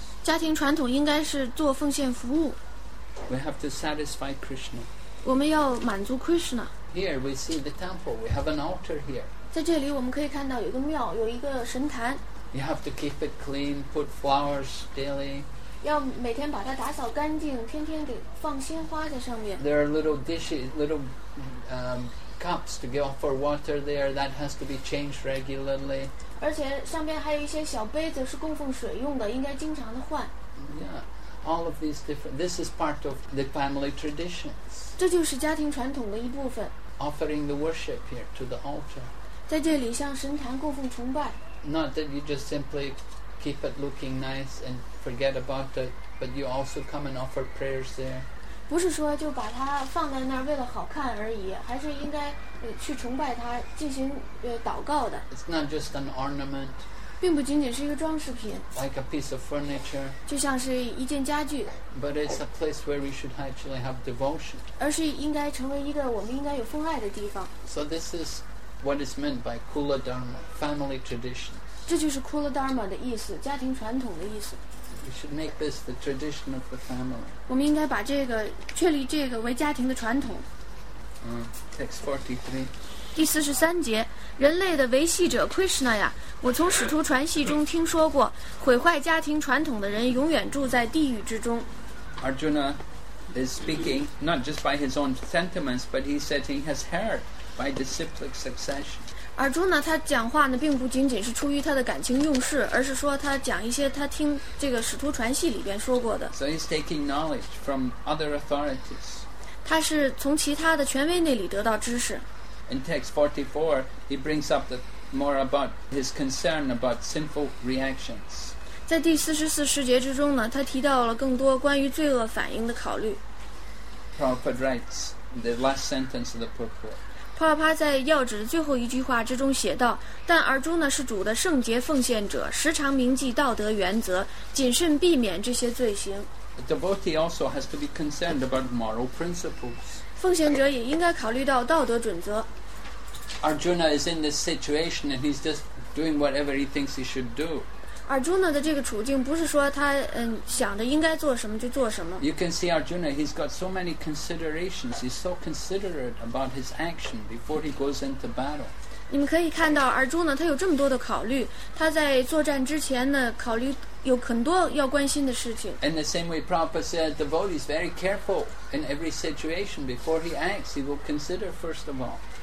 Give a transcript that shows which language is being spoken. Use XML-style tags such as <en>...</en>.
<zh>家庭传统应该是做奉献服务。</zh> <en>We have to satisfy Krishna.</en> <zh>我们要满足 Krishna.</zh> <en>Here we see the temple. We have an altar here.</en> <zh>在这里我们可以看到有一个庙，有一个神坛。</zh> <en>You have to keep it clean, put flowers daily.</en> <zh>要每天把它打扫干净，天天给放鲜花在上面。</zh> <en>There are little dishes, little, cups to give for water there that has to be changed regularly.</en> <zh>而且上边还有一些小杯子是供奉水用的，应该经常的换。</zh> <en>Yeah, all of these different. This is part of the family traditions.</en> <zh>这就是家庭传统的一部分。</zh> <en>Offering the worship here to the altar.</en> <zh>在这里向神坛供奉崇拜。</zh> <en>Not that you just simply keep it looking nice and forget about it, but you also come and offer prayers there.</en> <zh>不是说就把它放在那儿为了好看而已，还是应该去崇拜它，进行祷告的。</zh> <en>It's not just an ornament，</en> <zh>并不仅仅是一个装饰品。</zh> <en>Like a piece of furniture，</en> <zh>就像是一件家具。</zh> <en>But it's a place where we should actually have devotion，</en> <zh>而是应该成为一个我们应该有奉爱的地方。</zh> <en>So this is what is meant by Kula Dharma， family tradition。</en> <zh>这就是 Kula Dharma 的意思，家庭传统的意思。</zh> <en>We should make this the tradition of the family.</en> <zh>我们应该把这个确立这个为家庭的传统。</zh> <en>Text 43.</en> <zh>第四十三节，人类的维系者 Krishna 呀，我从使徒传戏中听说过，毁坏家庭传统的人永远住在地狱之中。</zh> <en>Arjuna is speaking not just by his own sentiments, but he said he has heard by disciplic succession.</en> <zh>而朱呢，他讲话呢，并不仅仅是出于他的感情用事，而是说他讲一些他听这个使徒传戏里边说过的。</zh> <en>So he's taking knowledge from other authorities.</en> <zh>他是从其他的权威那里得到知识。</zh> <en>In text 44, he brings up the more about his concern about sinful reactions.</en> <zh>在第四十四十节之中呢，他提到了更多关于罪恶反应的考虑。</zh> <en>Prabhupada writes the last sentence of the purport.</en> <zh>帕帕在要旨的最后一句话之中写道，但尔朱呢是主的圣洁奉献者，时常铭记道德原则，谨慎避免这些罪行。</zh> <en>A devotee also has to be concerned about moral principles.</en> <zh>奉献者也应该考虑到道德准则。</zh> <en>Arjuna is in this situation and he's just doing whatever he thinks he should do.</en> <zh>尔朱呢的这个处境不是说他想着应该做什么就做什么。</zh> <en>You can see Arjuna, he's got so many considerations. He's so considerate about his action before he goes into battle.</en> <zh>你们可以看到尔朱呢，他有这么多的考虑，他在作战之前呢，考虑有很多要关心的事情。</zh> <en>In the same way, Prabhupada said, devotee is very careful in every situation before he acts. He will consider first of all.</en>